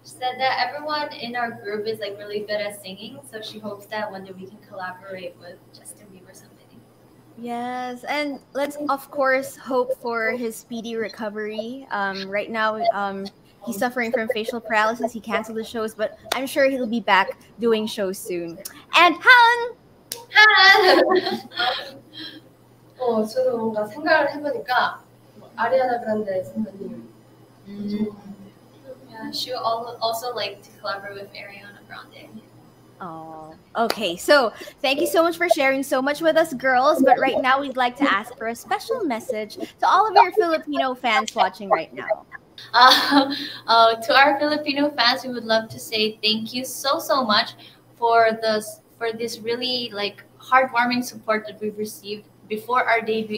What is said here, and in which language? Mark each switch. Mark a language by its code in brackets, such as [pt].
[en] She said that everyone in our group is like really good at singing, so she hopes that one day we can collaborate with Justin Bieber something. Yes, and let's of course hope for his speedy recovery. Right now he's suffering from facial paralysis. He canceled the shows, but I'm sure he'll be back doing shows soon. And Han! Han! [ko] Oh, 저도 뭔가 생각을 해보니까 아리아나 그란데 선배님. [en] Yeah, she also like to collaborate with Ariana Grande. Oh, okay. So thank you so much for sharing so much with us, girls. But right now, we'd like to ask for a special message to all of your Filipino fans watching right now. To our Filipino fans, we would love to say thank you so, so much for this really like heartwarming support that we've received before our debut.